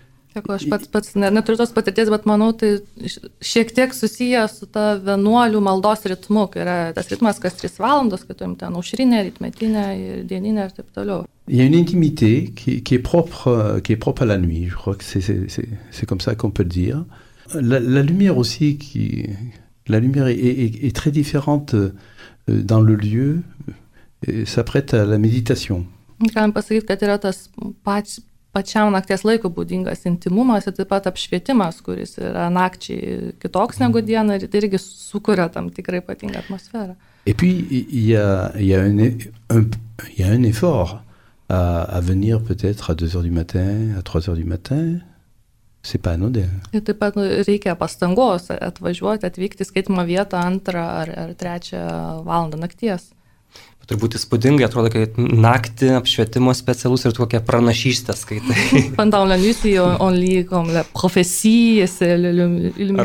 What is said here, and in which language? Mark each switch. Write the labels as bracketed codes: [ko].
[lt] Jeigu aš pats neturiu tos patirties, bet manau, tai šiek tiek susiję su ta vienuolių maldos ritmu, kai yra tas ritmas, kas 3 valandos, kai turim ten aušrinę, rytmetinę ir dieninę ir taip toliau. [fr] Il y a une intimité qui est propre à la nuit, je crois que c'est comme ça qu'on peut le dire. La lumière aussi, la lumière est très différente dans le lieu, ça prête à la méditation. [lt] Galim pasakyti, kad yra tas pačiam nakties laiku būdingas intimumas ir taip pat apšvietimas, kuris yra nakčiai kitoks negu diena ir irgi sukuria tam tikrai ypatingą atmosferą. [fr] Et puis il y a un effort à venir peut-être à 2 heures du matin, à 3 heures du matin. C'est pas anodin. [lt] Ir taip pat reikia pastangos atvykti skaitymo vietą 2 ar 3 valandą nakties. Turbūt įspūdingai atrodo, kad naktį apšvietimo specialus ir tokia pranašystė skaitai. [fr] Pendant la nuit, c'est on lit comme la prophétie, c'est l'illumination.